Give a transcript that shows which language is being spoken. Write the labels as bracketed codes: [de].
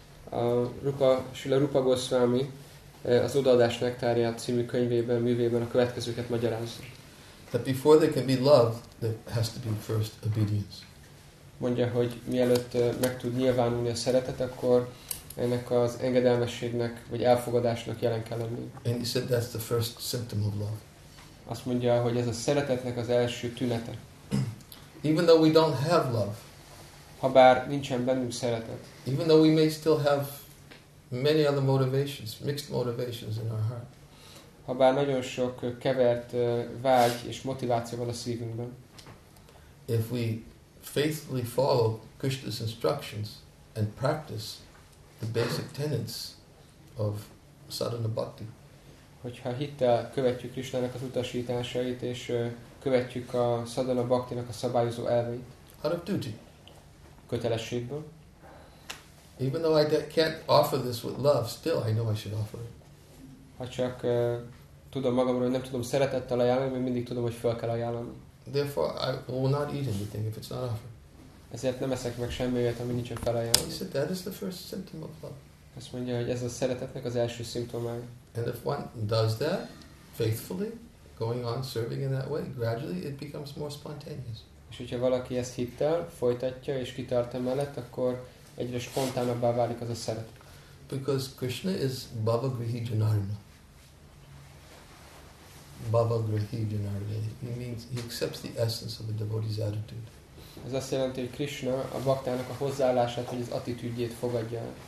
[hu] Srila Rupa Goswami az Odaadás Nektárját című könyvében, művében a következőket magyarázza. [en] That before there can be love, there has to be first obedience. [hu] Mondja, hogy mielőtt meg tud nyilvánulni a szeretet, akkor ennek az engedelmességnek vagy elfogadásnak jelen kell lenni. [en] And he said that's the first symptom of love. [hu] Azt mondja, hogy ez a szeretetnek az első tünete. [en] Even though we don't have love, [hu] habár nincsen bennünk szeretet, [en] even though we may still have many other motivations, mixed motivations in our heart, [hu] habár nagyon sok kevert vágy és motiváció van a szívünkben, [en] if we faithfully follow Krishna's instructions and practice the basic tenets of sadhana bhakti, [hu] hogyha hittel követjük Krishnának az utasításait és követjük a sadhana bhaktinak a szabályozó elveit. [en] Out of duty. [hu] Kötelességből. [en] Even though I can't offer this with love, still I know I should offer it. [hu] Ha csak tudom magamról, hogy nem tudom szeretettel ajánlani, mert mindig tudom, hogy fel kell ajánlani. [en] Therefore, I will not eat anything if it's not offered. [hu] Ezért nem eszek meg semmiért, ami nincsen felajánlani. [en] He said, that is the first symptom of love. [hu] Azt mondja, hogy ez a szeretetnek az első szimptomája. [en] And if one does that faithfully, going on serving in that way, gradually it becomes more spontaneous. [hu] És hogyha valaki ezt hittel, folytatja és kitart emellett, akkor egyre spontánabbá válik az a szeretet. [en] Because Krishna is Bhava Grihi Janardana. Bhava Grihi Janardana. He means he accepts the essence of a devotee's attitude. [hu] Ez azt jelenti, hogy Krishna a baktának a hozzáállását, vagy az attitűdjét fogadja.